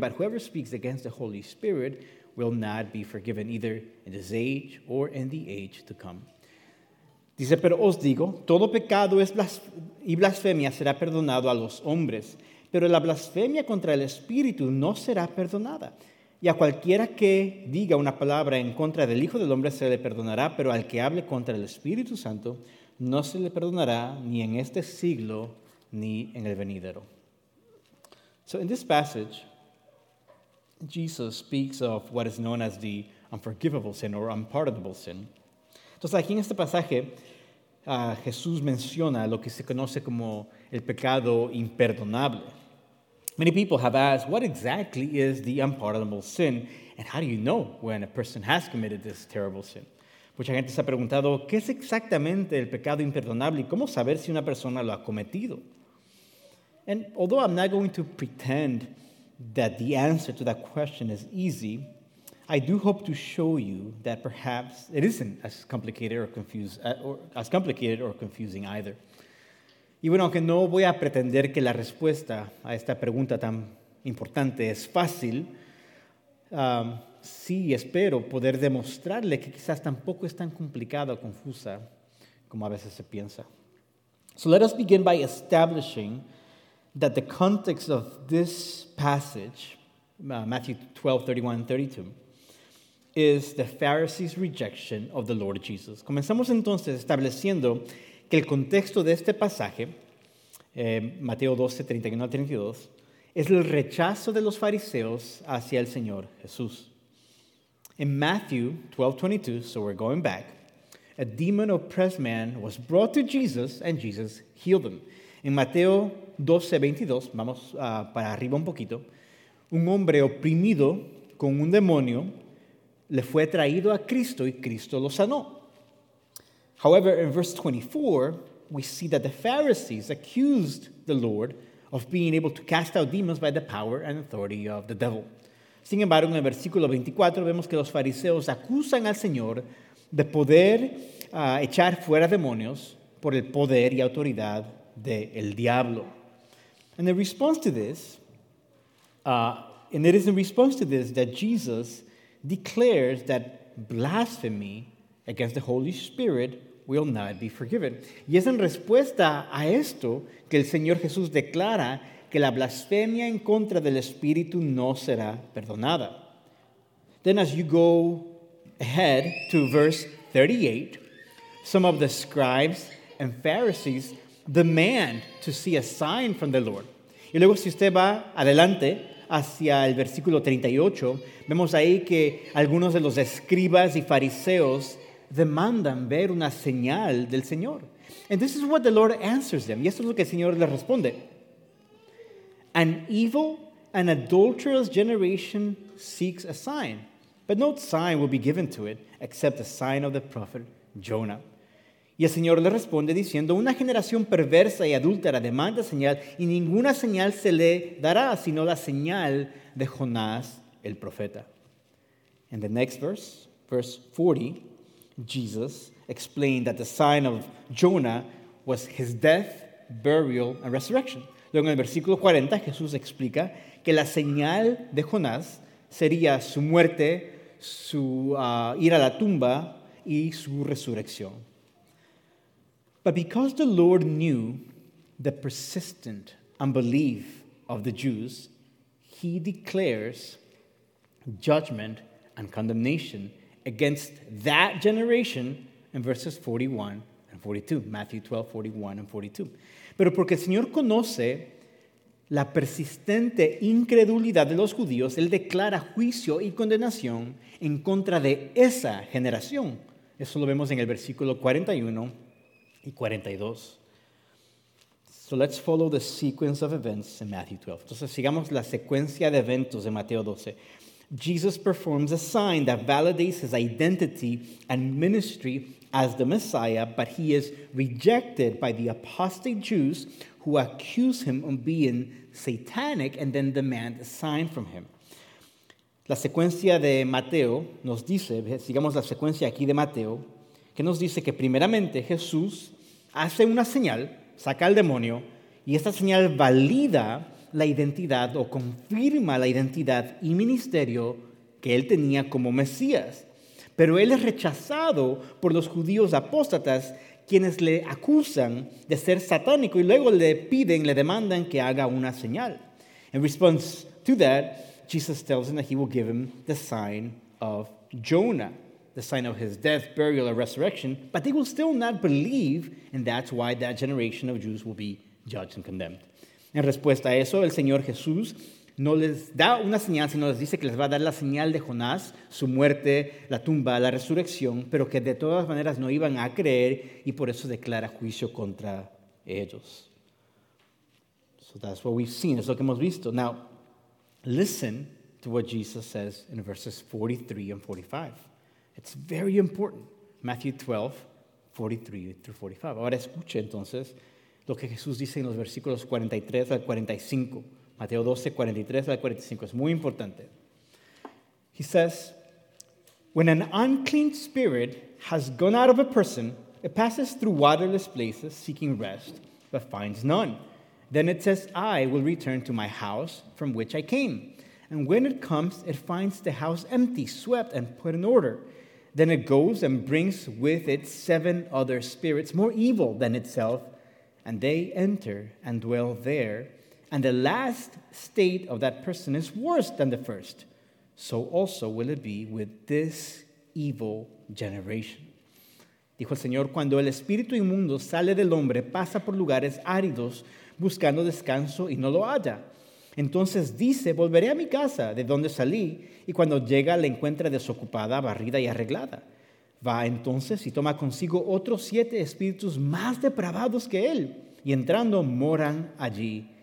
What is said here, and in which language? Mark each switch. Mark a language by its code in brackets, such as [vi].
[en] But whoever speaks against the Holy Spirit will not be forgiven, either in this age or in the age to come. [es] Dice, pero os digo, todo pecado es blasfemia será perdonado a los hombres. Pero la blasfemia contra el Espíritu no será perdonada. Y a cualquiera que diga una palabra en contra del Hijo del Hombre se le perdonará, pero al que hable contra el Espíritu Santo no se le perdonará ni en este siglo ni en el venidero. [en] So in this passage, Jesus speaks of what is known as the unforgivable sin or unpardonable sin. [es] Entonces aquí en este pasaje, Jesús menciona lo que se conoce como el pecado imperdonable. [en] Many people have asked, what exactly is the unpardonable sin? And how do you know when a person has committed this terrible sin? [es] Mucha gente se ha preguntado, ¿qué es exactamente el pecado imperdonable? ¿Y cómo saber si una persona lo ha cometido? [en] And although I'm not going to pretend that the answer to that question is easy, I do hope to show you that perhaps it isn't as complicated or confusing either. [es] Y bueno, aunque no voy a pretender que la respuesta a esta pregunta tan importante es fácil, sí espero poder demostrarle que quizás tampoco es tan complicada o confusa como a veces se piensa. [en] So let us begin by establishing that the context of this passage, Matthew 12, 31, 32, is the Pharisees' rejection of the Lord Jesus. [es] Comenzamos entonces estableciendo que el contexto de este pasaje, Mateo 12, 31 al 32, es el rechazo de los fariseos hacia el Señor Jesús. [en] In Matthew 12, 22, so we're going back, a demon-oppressed man was brought to Jesus and Jesus healed him. [es] En Mateo 12, 22, vamos para arriba un poquito, un hombre oprimido con un demonio le fue traído a Cristo y Cristo lo sanó. [en] However, in verse 24, we see that the Pharisees accused the Lord of being able to cast out demons by the power and authority of the devil. [es] Sin embargo, en el versículo 24 vemos que los fariseos acusan al Señor de poder echar fuera demonios por el poder y autoridad del diablo. [en] And in response to this, that Jesus declares that blasphemy against the Holy Spirit will not be forgiven. [es] Y es en respuesta a esto que el Señor Jesús declara que la blasfemia en contra del Espíritu no será perdonada. [en] Then as you go ahead to verse 38, some of the scribes and Pharisees demand to see a sign from the Lord. [es] Y luego si usted va adelante hacia el versículo 38, vemos ahí que algunos de los escribas y fariseos demandan ver una señal del Señor. [en] And this is what the Lord answers them. [es] Y esto es lo que el Señor les responde. [en] An evil and adulterous generation seeks a sign, but no sign will be given to it except the sign of the prophet Jonah. [es] Y el Señor le responde diciendo, una generación perversa y adúltera demanda señal y ninguna señal se le dará sino la señal de Jonás el profeta. [en] In the next verse, verse 40, Jesus explained that the sign of Jonah was his death, burial, and resurrection. [es] Luego en el versículo 40, Jesús explica que la señal de Jonás sería su muerte, su ir a la tumba y su resurrección. [en] But because the Lord knew the persistent unbelief of the Jews, he declares judgment and condemnation against that generation in verses 41 and 42, Matthew 12, 41 and 42. [es] Pero porque el Señor conoce la persistente incredulidad de los judíos, él declara juicio y condenación en contra de esa generación. Eso lo vemos en el versículo 41 y 42. [en] So let's follow the sequence of events in Matthew 12. [es] Entonces sigamos la secuencia de eventos de Mateo 12. [en] Jesus performs a sign that validates his identity and ministry as the Messiah, but he is rejected by the apostate Jews who accuse him of being satanic and then demand a sign from him. [es] La secuencia de Mateo nos dice, sigamos la secuencia aquí de Mateo, que nos dice que primeramente Jesús hace una señal, saca al demonio, y esta señal valida la identidad o confirma la identidad y ministerio que él tenía como Mesías. Pero él es rechazado por los judíos apóstatas, quienes le acusan de ser satánico y luego le piden, le demandan que haga una señal. [en] In response to that, Jesus tells him that he will give him the sign of Jonah, the sign of his death, burial, and resurrection, but they will still not believe, and that's why that generation of Jews will be judged and condemned. [es] En respuesta a eso, el Señor Jesús no les da una señal, sino les dice que les va a dar la señal de Jonás, su muerte, la tumba, la resurrección, pero que de todas maneras no iban a creer y por eso declara juicio contra ellos. [en] So that's what we've seen, [es] es lo que hemos visto. [en] Now, listen to what Jesus says in verses 43 and 45. It's very important. Matthew 12, 43 through 45. [es] Ahora escuche entonces lo que Jesús dice en los versículos 43 al 45. Mateo 12, 43 al 45. Es muy importante. [en] He says, when an unclean spirit has gone out of a person, it passes through waterless places seeking rest, but finds none. Then it says, I will return to my house from which I came. And when it comes, it finds the house empty, swept, and put in order. Then it goes and brings with it seven other spirits more evil than itself, and they enter and dwell there. And the last state of that person is worse than the first. So also will it be with this evil generation. [es] Dijo el Señor, cuando el espíritu inmundo sale del hombre, pasa por lugares áridos, buscando descanso y no lo halla. Entonces dice, volveré a mi casa, de donde salí, y cuando llega la encuentra desocupada, barrida y arreglada. Va entonces y toma consigo otros siete espíritus más depravados que él, y entrando moran allí.